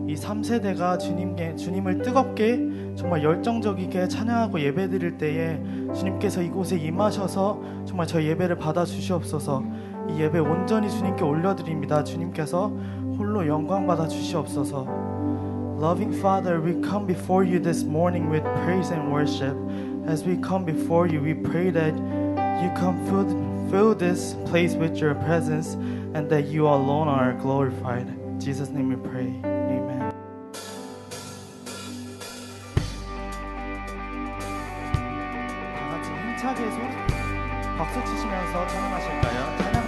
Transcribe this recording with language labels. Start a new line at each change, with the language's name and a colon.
Korean: 이 3세대가 주님을 뜨겁게 정말 열정적이게 찬양하고 예배드릴 때에 주님께서 이곳에 임하셔서 정말 저희 예배를 받아주시옵소서. 이 예배 온전히 주님께 올려드립니다. 주님께서 홀로 영광받아 주시옵소서.
English: Loving Father, we come before you this morning with praise and worship. As we come before you, we pray that you come fill this place with your presence and that you alone are glorified. In Jesus' name we pray. Amen.
Korean: 다 같이 힘차게 박수 치시면서 찬양하실까요?